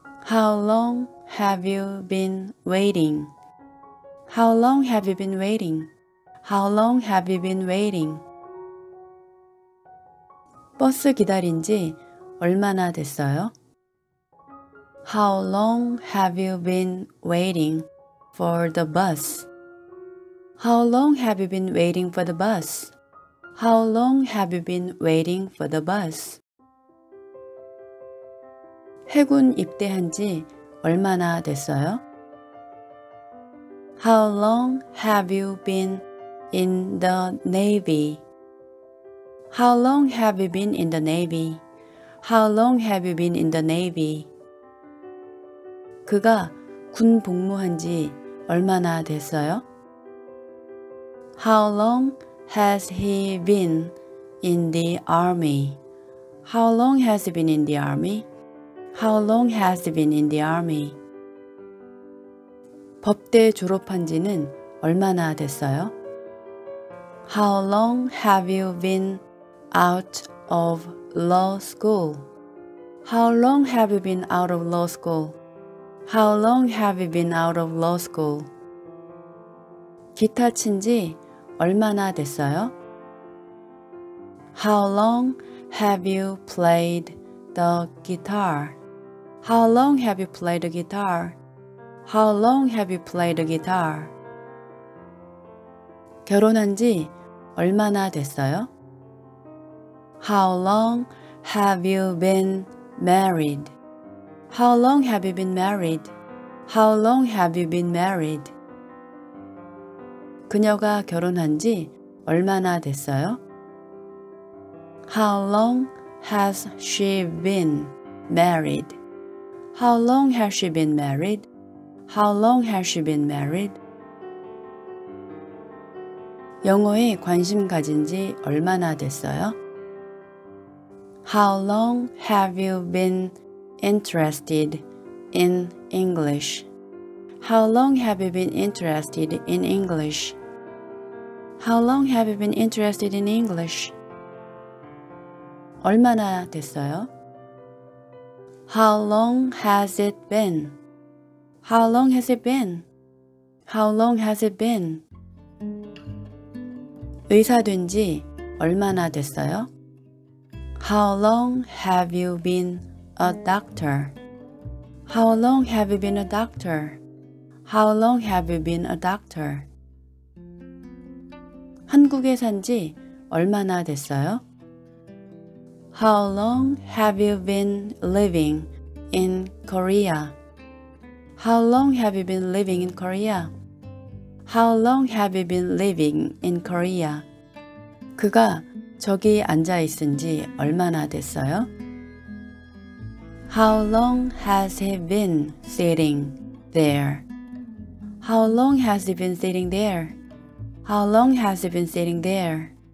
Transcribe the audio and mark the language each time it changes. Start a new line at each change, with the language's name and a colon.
English: How long have you been waiting? How long have you been waiting? How long have you been waiting?
Korean: 버스 기다린 지 얼마나 됐어요?
English: How long have you been waiting for the bus? How long have you been waiting for the bus? How long have you been waiting for the bus?
Korean: 해군 입대한 지 얼마나 됐어요?
English: How long have you been in the Navy? How long have you been in the Navy? How long have you been in the Navy?
Korean: 그가 군 복무한 지 얼마나 됐어요?
English: How long has he been in the army? How long has he been in the army? How long has he been in the army?
Korean: 법대 졸업한 지는 얼마나 됐어요?
English: How long have you been out of law school? How long have you been out of law school? How long have you been out of law school?
Korean: 기타 친 지 얼마나 됐어요?
English: How long have you played the guitar? How long have you played the guitar? How long have you played the guitar?
Korean: 결혼한 지 얼마나 됐어요?
English: How long have you been married? How long have you been married? How long have you been married?
Korean: 그녀가 결혼한 지 얼마나 됐어요?
English: How long has she been married? How long has she been married? How long has she been married?
Korean: 영어에 관심 가진 지 얼마나 됐어요?
English: How long have you been interested in English? How long have you been interested in English? How long have you been interested in English?
Korean: 얼마나 됐어요?
English: How long has it been? How long has it been? How long has it been?
Korean: 의사 된 지 얼마나 됐어요?
English: How long have you been a doctor? How long have you been a doctor? How long have you been a doctor?
Korean: 한국에 산 지 얼마나 됐어요?
English: How long have you been living in Korea? How long have you been living in Korea? How long have you been living in Korea?
Korean: 그가 저기 앉아 있은 지 얼마나 됐어요?
English: How long has he been sitting there? How long has he been sitting there? How long has he been sitting there?